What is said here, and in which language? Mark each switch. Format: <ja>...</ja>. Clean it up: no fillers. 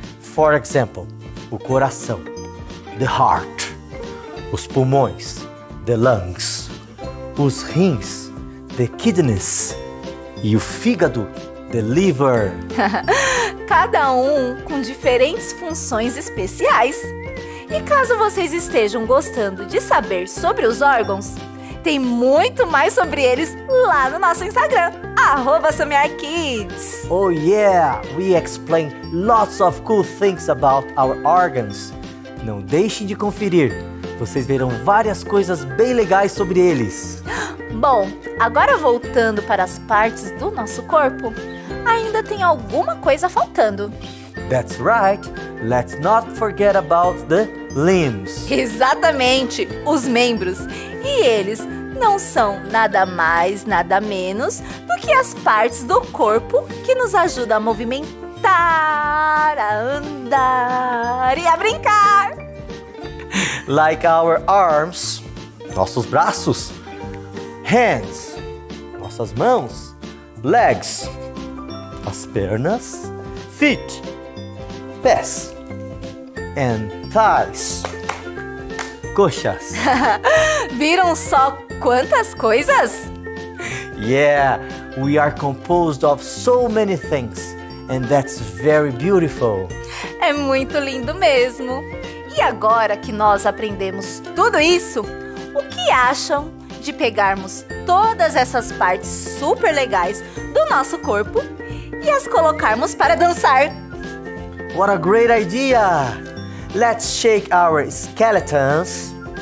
<en>For example,</en> <pt>o coração.</pt> <en>The heart.</en> <pt>Os pulmões.</pt> <en>The lungs.</en> <pt>Os rins.</pt> <en>The kidneys.</en> <pt>E o fígado.</pt> <en>The liver.</en> <pt>Cada um com diferentes funções especiais. E caso vocês estejam gostando de saber sobre os órgãos, tem muito mais sobre eles lá no nosso Instagram, @somearkids.</pt> <en>Oh yeah, we explain lots of cool things about our organs.</en> <pt>Não deixem de conferir, vocês verão várias coisas bem legais sobre eles. Bom, agora voltando para as partes do nosso corpo, ainda tem alguma coisa faltando.</pt> <en>That's right. Let's not forget about the limbs.</en> <pt>Exatamente, os membros. E eles não são nada mais, nada menos do que as partes do corpo que nos ajudam a movimentar, a andar e a brincar.</pt> <en>Like our arms.</en> <pt>nossos braços. Hands, nossas mãos. Legs, as pernas.</pt> <en>Feet, pés. And thighs, coxas.</en> <pt>Viram só quantas coisas?</pt> <en>Yeah, we are composed of so many things, and that's very beautiful.</en> <pt>É muito lindo mesmo. E agora que nós aprendemos tudo isso, o que acham de pegarmos todas essas partes super legais do nosso corpo e as colocarmos para dançar?</pt> <en>What a great idea! Let's shake our skeletons.</en>